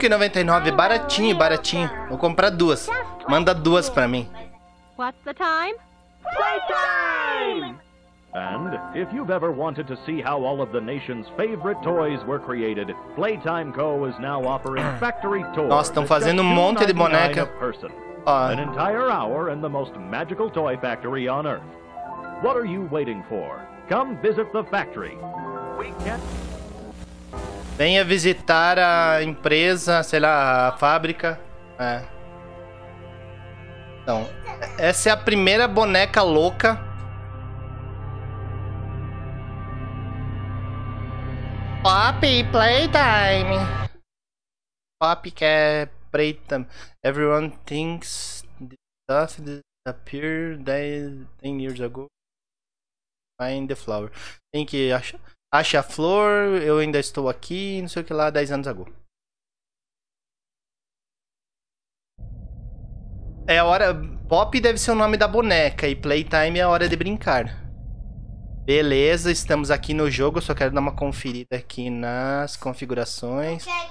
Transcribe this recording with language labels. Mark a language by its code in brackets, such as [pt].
[pt] R$5,99, baratinho, baratinho. Vou comprar duas. Manda duas pra mim. [en] What's the time? Playtime! And if you've ever wanted to see how all of the nation's favorite toys were created, Playtime Co. is now offering factory tours. [pt] Nossa, estão fazendo um monte de boneca. [en] An entire hour in the most magical toy factory on earth. What are you waiting for? Come visit the factory. We can't. [pt] Venha visitar a empresa, sei lá, a fábrica. É. Então, essa é a primeira boneca louca. Pop Playtime. Pop quer Playtime. [en] Everyone thinks the stuff disappeared 10 years ago. Find the flower. [pt] Tem que achar. Acha a flor, eu ainda estou aqui, não sei o que lá, 10 anos ago. É a hora... Pop deve ser o nome da boneca e Playtime é a hora de brincar. Beleza, estamos aqui no jogo, só quero dar uma conferida aqui nas configurações.